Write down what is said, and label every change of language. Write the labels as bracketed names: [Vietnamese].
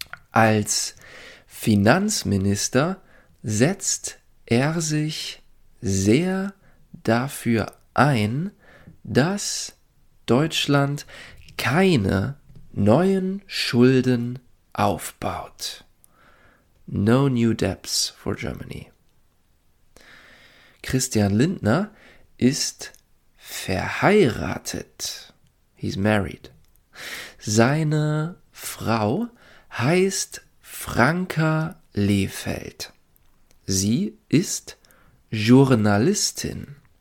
[German] Als Finanzminister setzt er sich sehr dafür ein, dass Deutschland keine neuen Schulden aufbaut. [English] No new debts for Germany. [German] Christian Lindner ist verheiratet. [English] He's married. [German] Seine Frau heißt Franka Lehfeld. Sie ist Journalistin.